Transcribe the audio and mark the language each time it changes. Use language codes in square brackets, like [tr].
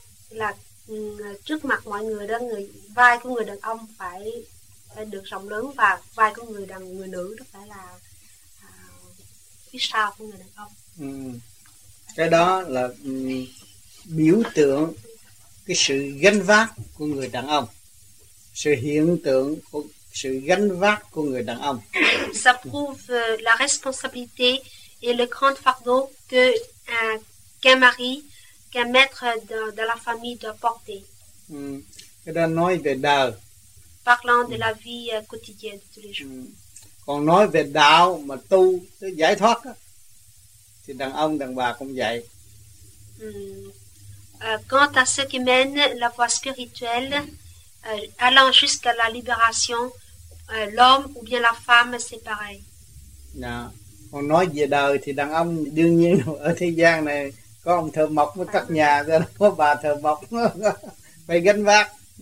[vi] Là trước mặt mọi người đó, người vai của người đàn ông phải được rộng lớn và vai của người đàn người nữ nó phải là phía sau của người đàn ông. Cái đó là biểu tượng cái sự gánh vác của người đàn ông, sự hiện tượng của sự gánh vác của người đàn ông. [fr] Ça prouve la responsabilité et le grand fardeau que qu'un mari, qu'un maître de la famille doit porter. [vi] Cái đó nói về đời. [fr] Parlant de la vie quotidienne de tous les jours. [vi] Còn nói về đạo mà tu để giải thoát á, thì đàn ông đàn bà cũng vậy. [fr] Quant à ceux qui mènent la voie spirituelle allant jusqu'à la libération, l'homme ou bien la femme, c'est pareil. [vi] On nói về đời thì đàn ông đương nhiên ở thế gian này có ông thợ mộc mới cắt nhà, có bà thợ mộc phải gánh vác.